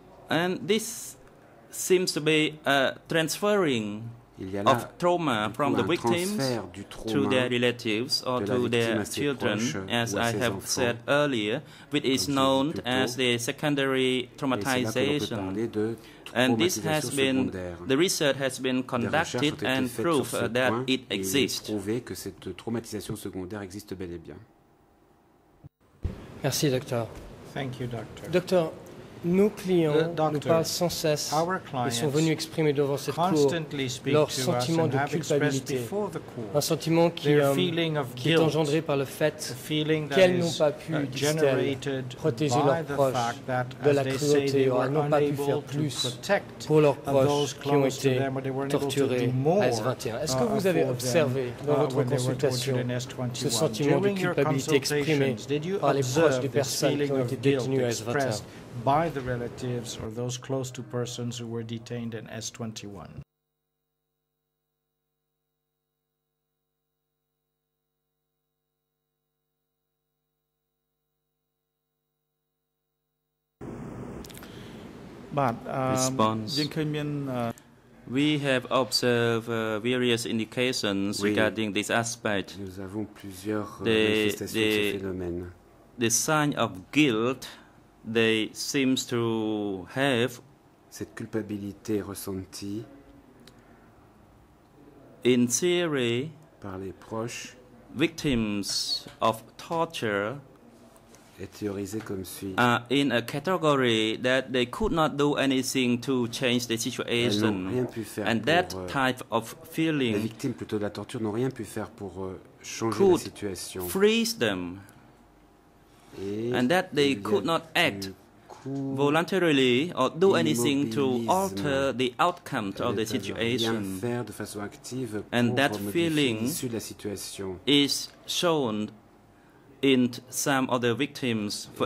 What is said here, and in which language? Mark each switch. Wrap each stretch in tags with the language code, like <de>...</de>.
<en>And this seems to be a transferring of trauma from the victims to their relatives or to their children, as I have said earlier, which is known as the secondary traumatization. And this has been, the research has been conducted and proved that it exists.</en> <fr>Prouvé que cette traumatisation secondaire existe bel et bien. Merci, docteur.</fr> <en>Thank you, doctor.</en> <fr>Docteur, nos clients nous parlent sans cesse et sont venus exprimer devant cette cour leur sentiment de culpabilité, un sentiment qui est engendré par le fait qu'elles n'ont pas pu, disent-elles, protéger leurs proches de la cruauté, ou elles n'ont pas pu faire plus pour leurs proches qui ont été torturés à S21. Est-ce que vous avez observé dans votre consultation ce sentiment de culpabilité exprimé par les proches des personnes qui ont été détenues à S21?</fr> <en>By the relatives or those close to persons who were detained in S21. But response. We have observed various indications regarding this aspect.</en> <fr>Nous avons plusieurs manifestations de ce phénomène.</fr> <en>The sign of guilt they seem to have</en> <fr>cette culpabilité ressentie</fr> <en>in theory</en> <fr>par les proches</fr> <en>victims of torture</en> <fr>est théorisé comme suit.</fr> <en>In a category that they could not do anything to change the situation.</en> <fr>Elles n'ont rien pu faire.</fr> <en>And that type of feeling.</en> <fr>Les victimes plutôt de la torture n'ont rien pu faire pour changer la situation.</fr> <en>Could freeze them.</en> <fr>Et</fr> <en>and that they could not act voluntarily or do anything to alter the outcome of the situation.</en> <fr>Faire de façon active pour</fr> <en>and that feeling</en> <fr>de la situation.</fr> <en>Is shown in some of the victims. For</en>